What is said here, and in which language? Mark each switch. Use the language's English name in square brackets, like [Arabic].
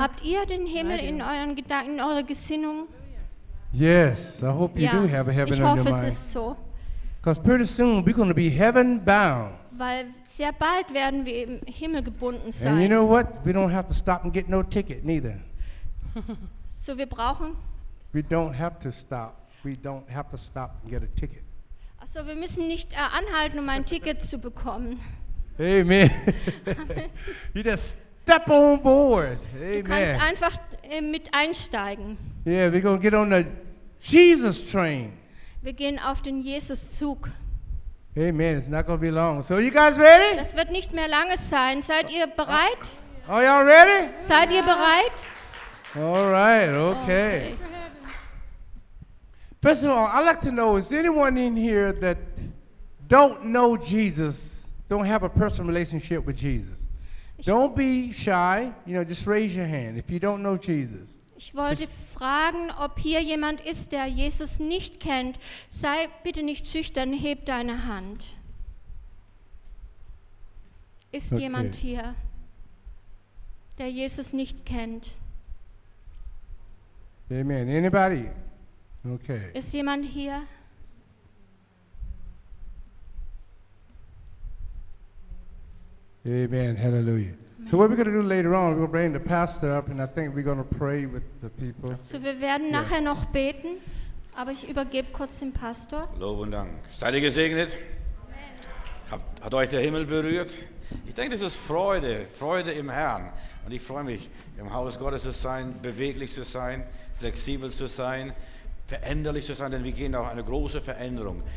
[German] Habt ihr den Himmel in euren Gedanken, in eurer Gesinnung? [English] Yes, I hope you do have a heaven on your mind. [German] Ich hoffe, es ist so. [English] Because pretty soon we're going to be heaven bound. [German] Weil sehr bald werden wir im Himmel gebunden sein. [English] And you know what? We don't have to stop and get no ticket neither. [German] So wir brauchen? [English] We don't have to stop. We don't have to stop and get a ticket. [German] Achso, wir müssen nicht anhalten, um ein Ticket zu bekommen. [English] Amen. You just step on board. Amen. [German] Du kannst einfach mit einsteigen. [English] Yeah, we're going to get on the Jesus train. [German] Wir gehen auf den Jesus-Zug. [English] Amen, it's not going to be long. So, are you guys ready? [German] Das wird nicht mehr lange sein. Seid ihr bereit? [English] Are y'all ready? [German] Seid ihr bereit? [English] All right, okay. First of all, I'd like to know, is anyone in here that don't know Jesus, don't have a personal relationship with Jesus? Don't be shy, you know, just raise your hand if you don't know Jesus. [German] Ich wollte fragen, ob hier jemand ist, der Jesus nicht kennt. Sei bitte nicht schüchtern, heb deine Hand. Ist jemand hier, der Jesus nicht kennt? [English] Amen. Anybody? Okay. [German] Ist jemand hier? [English] Amen. Hallelujah. So what we're going to do later on, we'll bring the pastor up and I think we're going to pray with the people. [German] So wir werden nachher noch beten, aber ich übergebe kurz den Pastor. Lob und Dank. Seid ihr gesegnet? Amen. Hat euch der Himmel berührt? Ich denke, das ist Freude, Freude im Herrn. Und ich freue mich, im Haus Gottes zu sein, beweglich zu sein, flexibel zu sein, veränderlich zu sein, denn wir gehen auch eine große Veränderung.